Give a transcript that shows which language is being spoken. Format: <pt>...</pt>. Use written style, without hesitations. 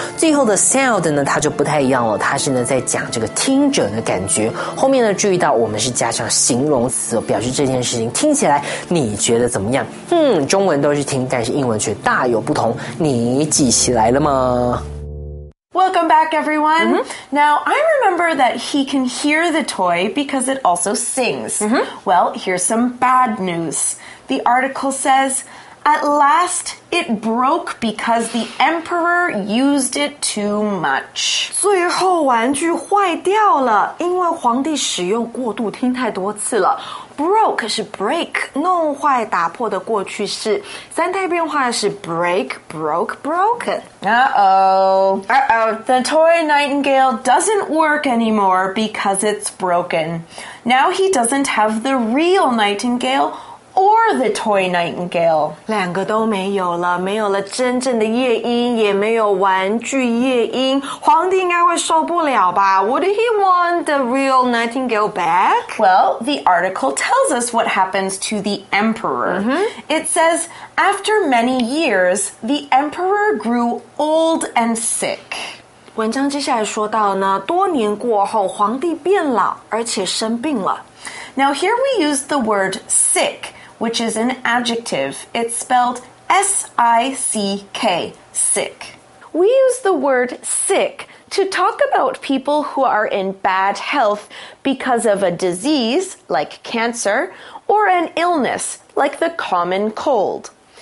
<zh>最后的 sound 呢它就不太一样了，它是呢在讲这个听者的感觉，后面呢注意到我们是加上形容词表示这件事情听起来你觉得怎么样。中文都是听，但是英文却大有不同，你记起来了吗？</zh> <en>Welcome back everyone. Now I remember that he can hear the toy because it also sings. Well, here's some bad news. The article says at last it broke because the emperor used it too much.</en> <zh>最后玩具坏掉了，因为皇帝使用过度听太多次了。 Broke 是 break, 弄坏打破的过去式，三态变化是 break, broke, broken.</zh> <en>Uh-oh, the toy nightingale doesn't work anymore because it's broken. Now he doesn't have the real nightingale or the toy nightingale.</en> <zh>两个都没有了，没有了真正的夜莺，也没有玩具夜莺，皇帝应该会受不了吧。</zh> <en>Would he want the real nightingale back? Well, the article tells us what happens to the emperor. It says, after many years, the emperor grew old and sick.</en> <zh>文章接下来说到呢，多年过后，皇帝变老，而且生病了。</zh> <en>Now here we use the word sick,which is an adjective. It's spelled S-I-C-K, sick. We use the word sick to talk about people who are in bad health because of a disease like cancer or an illness like the common cold.</en>